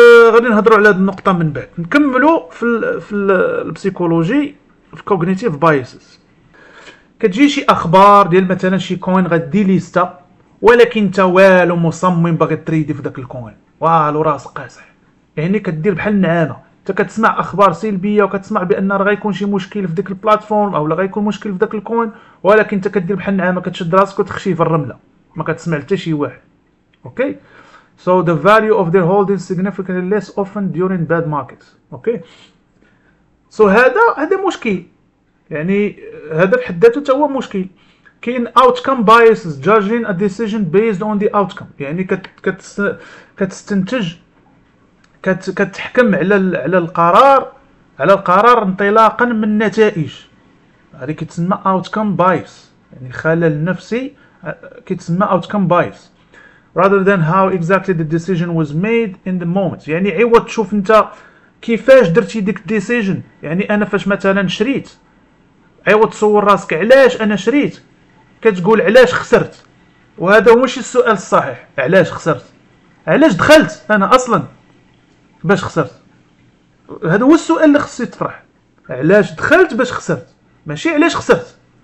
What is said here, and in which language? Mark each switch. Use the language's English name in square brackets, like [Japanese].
[Arabic] غادي نهضروا على هذه النقطه من بعد، نكملوا في البسيكولوجي في كوجنيتيف بايسز، كتجي شي اخبار ديال مثلا شي كوين غادي ليستا، ولكن انت والو مصمم باغي تريدي في داك الكوين، والو راسك قاصح، يعني كدير بحال النعامه، انت كتسمع اخبار سلبيه وكتسمع بان راه غيكون شي مشكل في ديك البلاتفورم او لا غيكون مشكل في داك الكوين، ولكن انت كدير بحال النعامه كتشد راسك وتخشي في الرمله، ما كتسمع حتى شي واحد، اوكي. [English] So the value of their holdings significantly less often during bad markets. Okay. So [Arabic] هذا مشكل. يعني هذا في حد ذاته هو مشكل. كاين [English] outcome biases judging a decision based on the outcome. [Arabic] يعني كتستنتج كتحكم على القرار انطلاقا من نتائج. هذه كتسمى outcome bias. يعني خلل نفسي كتسمى outcome bias. [English] rather than how exactly the decision was made in the moment. [Arabic] يعني عوض تشوف انت كيفاش درتي ديك decision، يعني انا فاش مثلا شريت، عوض تصور راسك علاش انا شريت، كتقول علاش خسرت، وهذا هو ماشي السؤال الصحيح، علاش خسرت، علاش دخلت انا اصلا باش خسرت، هذا هو السؤال اللي خصك تطرح، علاش دخلت باش خسرت، ماشي علاش خسرت.